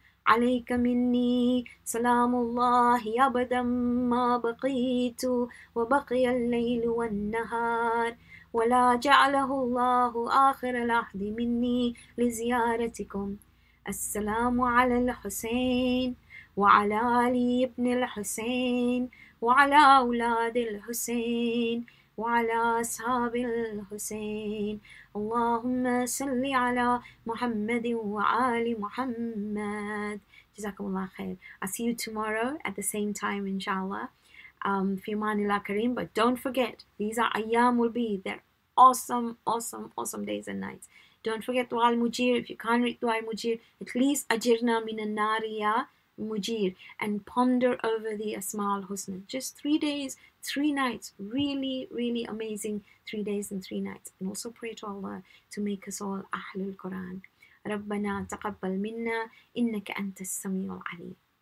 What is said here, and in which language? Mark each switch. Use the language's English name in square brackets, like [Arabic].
[Arabic] عليك مني سلام الله أبدا ما بقيت وبقي الليل والنهار ولا جعله الله آخر العهد مني لزيارتكم السلام على الحسين وعلى علي بن الحسين وعلى أولاد الحسين وعلى أصحاب الحسين. اللهم صل على محمد وعلى محمد. جزاكم الله خير. [English] I'll see you tomorrow at the same time, inshallah. [Arabic] في أمان الله كريم. [English] But don't forget, these are أيام البيض. They're awesome, awesome, awesome days and nights. Don't forget دعاء المجير. If you can't read دعاء المجير, at least [Arabic] أجرنا من النار يا مجير. [English] And ponder over the Asma al-Husna. Just 3 days, 3 nights. Really, really amazing 3 days and 3 nights. And also pray to Allah to make us all Ahlul Quran. [Arabic] ربنا تقبل منا إنك أنت السميع العليم.